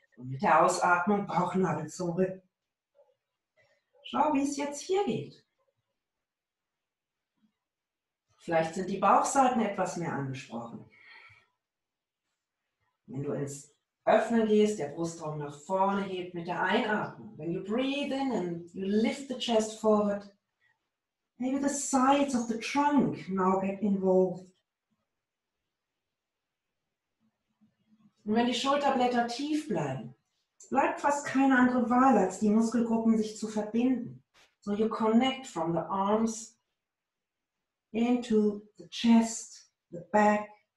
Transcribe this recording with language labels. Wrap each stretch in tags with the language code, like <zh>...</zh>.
<de>Und mit der Ausatmung Bauchnabel zurück. Schau, wie es jetzt hier geht. Vielleicht sind die Bauchseiten etwas mehr angesprochen. Wenn du ins Öffnen gehst, der Brustraum nach vorne hebt mit der Einatmung.</de> <en>When you breathe in and you lift the chest forward, maybe the sides of the trunk now get involved.</en> <de>Und wenn die Schulterblätter tief bleiben, bleibt fast keine andere Wahl, als die Muskelgruppen sich zu verbinden.</de> <en>So you connect from the arms into the chest, the back.</en>